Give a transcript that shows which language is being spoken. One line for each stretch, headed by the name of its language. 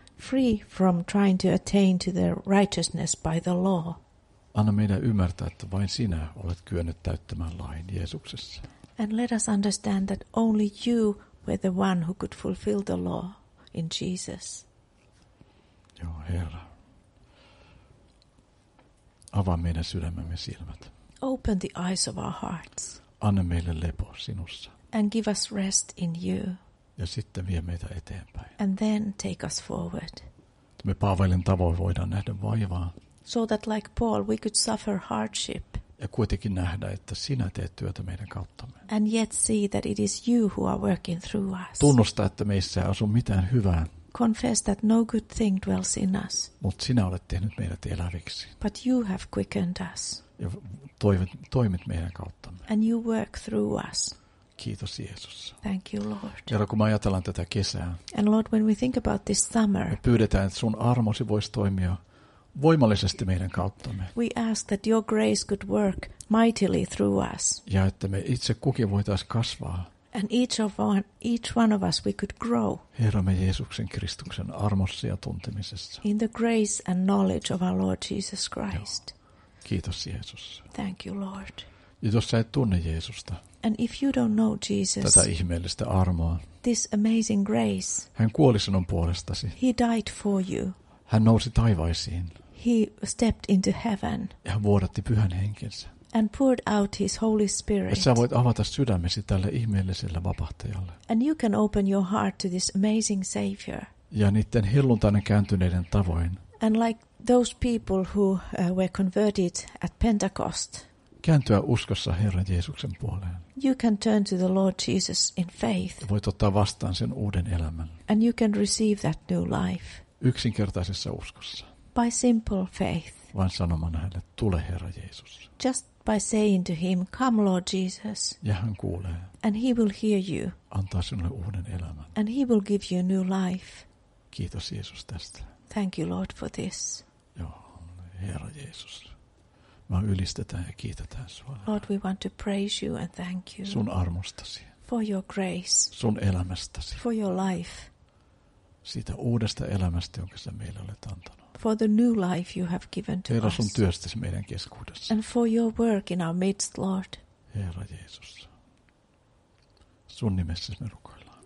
English: Free from trying to attain to the righteousness by the law.
Finnish: Anna meidän ymmärtää, että vain sinä olet kyennyt täyttämään lain Jeesuksessa.
English: And let us understand that only you were the one who could fulfill the law in Jesus.
Finnish: Joo, Herra. Avaa meidän sydämemme silmät.
English: Open the eyes of our hearts.
Finnish: Anna meille lepo sinussa.
English: And give us rest in you.
Finnish: Ja sitten vie meitä eteenpäin.
English: And then take us forward.
Finnish: Me Paavalin tavoin voidaan nähdä vaivaa.
English: So that like Paul we could suffer hardship.
Finnish: Ja kuitenkin nähdä, että sinä teet työtä meidän kauttamme.
English: And yet see that it is you who are working through us.
Finnish: Tunnusta, että meissä ei asu mitään hyvää.
English: Confess that no good thing dwells in us.
Finnish: Mut sinä olet tehnyt meidät eläviksi.
English: But you have quickened us.
Finnish: Ja toimit meidän kauttamme.
English: And you work through us.
Finnish: Kiitos Jeesus.
English: Thank you Lord.
Finnish: Herra, kun me ajatellaan tätä kesää.
English: And Lord, when we think about this summer.
Finnish: Me pyydetään, että sun armosi voisi toimia voimallisesti meidän kauttamme.
English: We ask that your grace could work mightily through us.
Finnish: Ja että me itse kukin voitaisiin kasvaa.
English: And each one of us we could grow.
Finnish: Herramme Jeesuksen Kristuksen armossa ja tuntemisessa.
English: In the grace and knowledge of our Lord Jesus Christ.
Finnish: Joo. Kiitos Jeesus.
English: Thank you Lord.
Finnish: Ja jos sä et tunne Jeesusta.
English: And if you don't know Jesus.
Finnish: Tätä ihmeellistä armoa.
English: This amazing grace.
Finnish: Hän kuoli sinun puolestasi.
English: He died for you.
Finnish: Hän nousi taivaisiin.
English: He stepped into heaven.
Finnish: Ja hän vuodatti Pyhän Henkensä.
English: And poured out his Holy Spirit.
Finnish: Et sä voit avata sydämesi tälle ihmeelliselle vapahtajalle.
English: And you can open your heart to this amazing Savior.
Finnish: Ja niitten helluntainen kääntyneiden tavoin.
English: And like those people who were converted at Pentecost.
Finnish: Kääntyä uskossa Herran Jeesuksen puoleen.
English: You can turn to the Lord Jesus in faith.
Finnish: Voit ottaa vastaan sen uuden elämän.
English: And you can receive that new life.
Finnish: Yksinkertaisessa uskossa.
English: By simple faith.
Finnish: Vain sanomana hänelle, tule Herra Jeesus.
English: Just by saying to him, come Lord Jesus.
Finnish: Ja hän kuulee.
English: And he will hear you.
Finnish: Antaa sinulle uuden elämän.
English: And he will give you new life.
Finnish: Kiitos Jeesus tästä.
English: Thank you Lord for this.
Finnish: Joo, Herra Jeesus. Me ylistetään ja kiitetään sinua.
English: Lord, we want to praise you and thank you.
Finnish: Sun armostasi.
English: For your grace.
Finnish: Sun elämästäsi.
English: For your life.
Finnish: Siitä uudesta elämästä, jonka sinä meille olet antanut.
English: For the new life you have given to us.
Finnish: Herra, sun työstäsi meidän keskuudessa.
English: And for your work in our midst, Lord.
Finnish: Herra Jeesus, sun nimessäsi me rukoillaan.